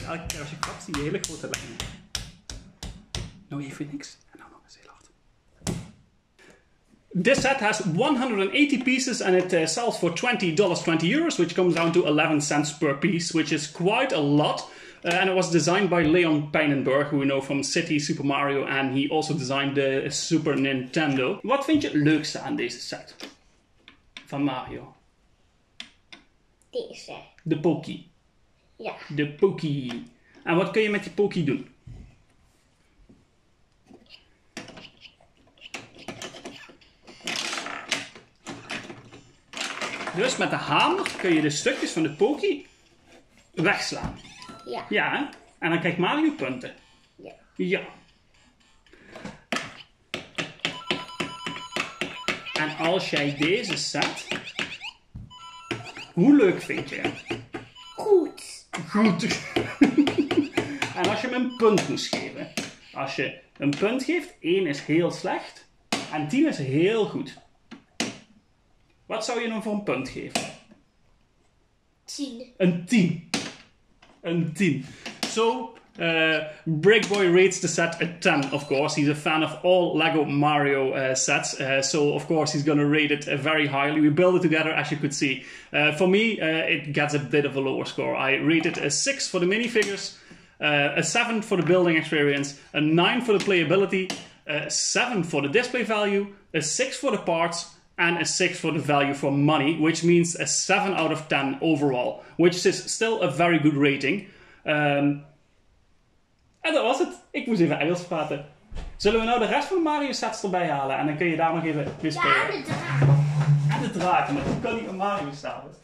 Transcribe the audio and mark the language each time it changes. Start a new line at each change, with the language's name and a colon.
Dutch: Elke keer als je klapt, zie je hele grote lijnen. Nou even niks. En dan nog eens heel hard.
English: This set has 180 pieces and it sells for $20, €20, which comes down to 11 cents per piece, which is quite a lot. And it was designed by Leon Pijnenburg, who we know from City, Super Mario, and he also designed the Super Nintendo.
Dutch: Wat vind je het leukste aan deze set? Van Mario. Deze. De Poké. Ja. De Poké. En wat kun je met die Poké doen? Dus met de hamer kun je de stukjes van de Poké wegslaan. Ja. Ja, hè? En dan krijgt Mario punten. Ja. Ja. En als jij deze set, hoe leuk vind je hem? Goed. Goed. En als je hem een punt moest geven. Als je een punt geeft, 1 is heel slecht en 10 is heel goed. Wat zou je hem voor een punt geven? 10. Een 10.
English: So, Brickboy rates the set a 10, of course. He's a fan of all LEGO Mario sets. So, of course, he's going to rate it very highly. We build it together, as you could see. For me, it gets a bit of a lower score. I rate it a 6 for the minifigures, a 7 for the building experience, a 9 for the playability, a 7 for the display value, a 6 for the parts, and a 6 for the value for money, which means a 7 out of 10 overall, which is still a very good rating.
Dutch: En dat was het. Ik moest even Engels praten. Zullen we nou de rest van Mario sets erbij halen? En dan kun je daar nog even mee spelen. Ja, de draak. Maar hoe kan die een Mario staan?